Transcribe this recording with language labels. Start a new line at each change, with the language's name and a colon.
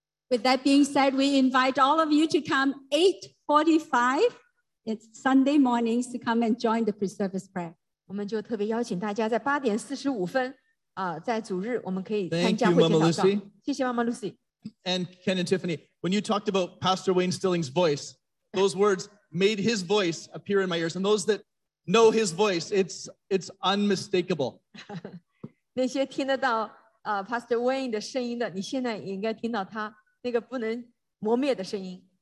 English: With that being said, we invite all of you to come 8:45. It's Sunday mornings to come and join the pre-service prayer.
Chinese: 我们就特别邀请大家在8:45, 在主日我们可以参加会议祷告。
English: Thank you, Mama Lucy.
Chinese: 谢谢 Mama Lucy.
English: And Ken and Tiffany, when you talked about Pastor Wayne Stilling's voice, those words made his voice appear in my ears. And those that know his voice, it's unmistakable.
Chinese: 那些听得到 Pastor Wayne的声音的, 你现在应该听到他那个不能磨灭的声音。